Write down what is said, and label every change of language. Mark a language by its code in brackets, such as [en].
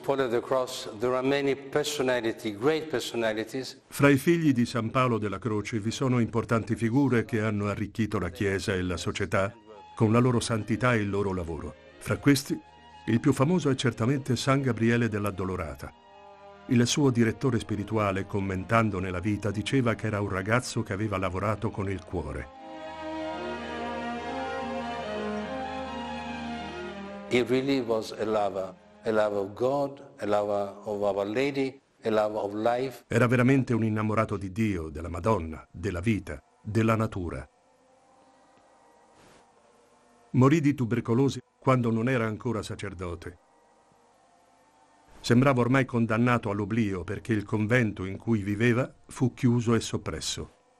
[en] Paul of the Cross, there are many personalities, great personalities. [it] Fra i figli di San Paolo della Croce vi sono importanti figure che hanno arricchito la Chiesa e la società con la loro santità e il loro lavoro. Fra questi, il più famoso è certamente San Gabriele dell'Addolorata. Il suo direttore spirituale, commentandone la vita, diceva che era un ragazzo che aveva lavorato con il cuore. [en] He really was a lover of God, a lover of Our Lady, a lover of life. [it] Era veramente un innamorato di Dio, della Madonna, della vita, della natura. Morì di tubercolosi quando non era ancora sacerdote. Sembrava ormai condannato all'oblio perché il convento in cui viveva fu chiuso e soppresso.